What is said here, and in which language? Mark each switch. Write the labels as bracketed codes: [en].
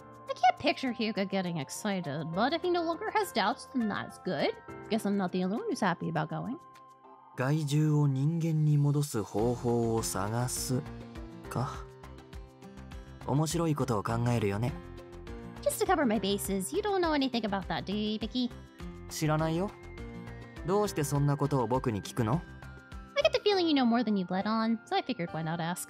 [en] I can't picture Hyuga getting excited, but if he no longer has doubts, then that's good. Guess I'm not the only one who's happy about going. Just to cover my bases, you don't know anything about that, do you, Ibuki? [ja] 知らないよ。どうしてそんなことを僕に聞くの? [en] I get the feeling you know more than you've let on, so I figured why not ask.